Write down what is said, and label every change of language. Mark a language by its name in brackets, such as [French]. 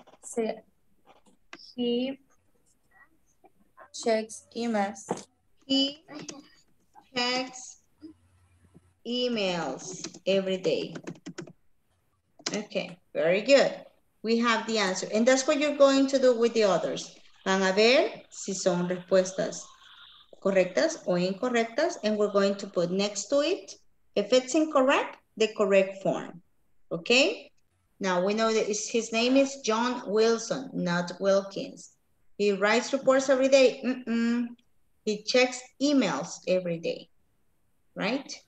[English] See, he checks emails. He checks emails every day. Okay. Very good. We have the answer. And that's what you're going to do with the others. [Spanish] Van a ver si son respuestas correctas o incorrectas. [English] And we're going to put next to it, if it's incorrect, the correct form. Okay? Now we know that his name is John Wilson, not Wilkins. He writes reports every day. Mm-mm. He checks emails every day. Right?